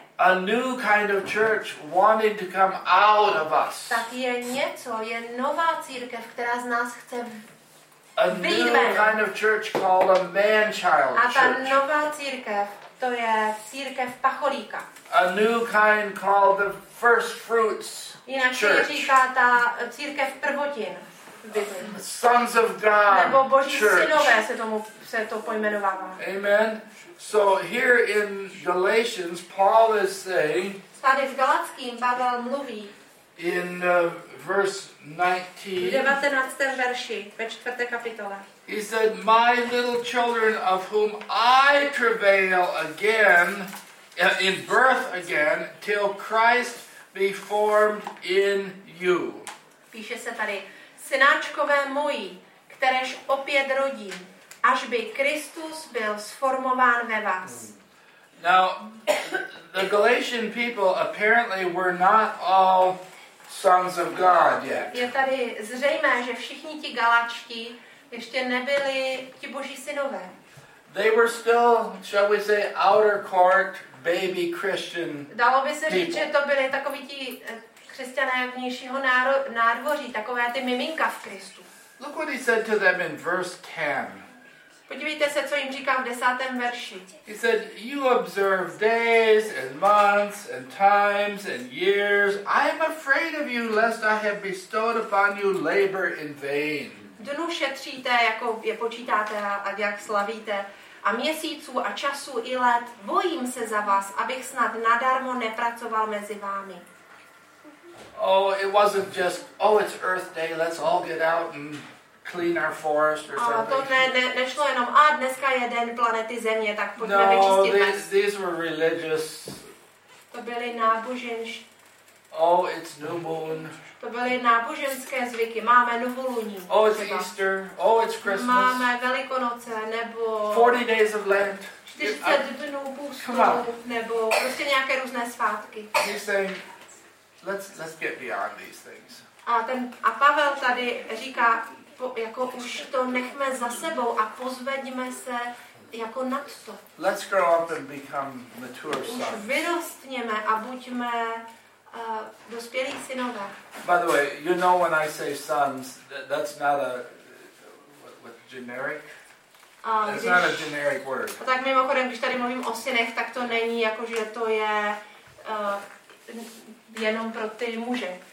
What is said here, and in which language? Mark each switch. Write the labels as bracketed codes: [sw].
[en] A new kind of church wanting to come out of us. [cs] Tak je něco, je nová církev, která z nás chce [en] A new kind of church called a man-child church. [cs] A ta nová církev, to je církev pacholíka. [en] A new kind called the first fruits church. [cs] Jinak se říká ta církev prvotin. [en] Sons of God. [cs] Nebo boží [en] church. [cs] Synové se to pojmenovává. [en] Amen. So here in Galatians, Paul is saying. [cs] Tady v Galatským Pavel mluví. [en] In verse 19. [cs] 19. verši ve 4. kapitole. [en] He said, "My little children, of whom I travail again in birth again, till Christ be formed in you." [cs] Píše se tady, synáčkové moji, kteréž opět rodím, až by Kristus byl sformován ve vás. [en] Now, the Galatian people apparently were not all sons of God yet. [cs] Je tady zřejmé, že všichni ti Galačtí ještě nebyli ti Boží synové. [en] They were still, shall we say, outer court baby Christian. [cs] Dalo by se [en] people. [cs] Říct, že to byli takoví ti křesťané vnějšího nádvoří, takové ty miminka v Kristu. [en] Look what he said to them in verse 10. [cs] Podívejte se, co jim říká v 10. verši. [en] He said, "You observe days and months and times and years. I am afraid of you, lest I have bestowed upon you labor in vain." [cs] Dnu šetříte, jako je počítáte a jak slavíte, a měsíců a času i let bojím se za vás, abych snad nadarmo nepracoval mezi vámi. [en] Oh, it wasn't just, oh, it's Earth Day, let's all get out and clean our forest or something. [cs] A to nešlo jenom, a dneska je den planety Země, tak pojďme vyčistit. [en] No, these were religious. [cs] To byly náboženští. [en] Oh, it's new moon. [cs] To byly náboženské zvyky. Máme novoluní. [en] Oh, it's Easter. Oh, it's Christmas. [cs] Máme Velikonoce nebo [en] 40 days of Lent. [cs] 40 dnů půstu nebo prostě nějaké různé svátky. [en] He's saying, let's get beyond these things. [cs] A Pavel tady říká, jako už to nechme za sebou a pozvedíme se jako nad to. [en] Let's grow up and become mature sons. [cs] Už vyrostněme a buďme dospělí synové. [en] By the way, you know when I say sons, that's not a generic. It's not a generic word. [cs] A tak mimochodem, když tady mluvím o synech, tak to není jako že to je jenom pro ty muže.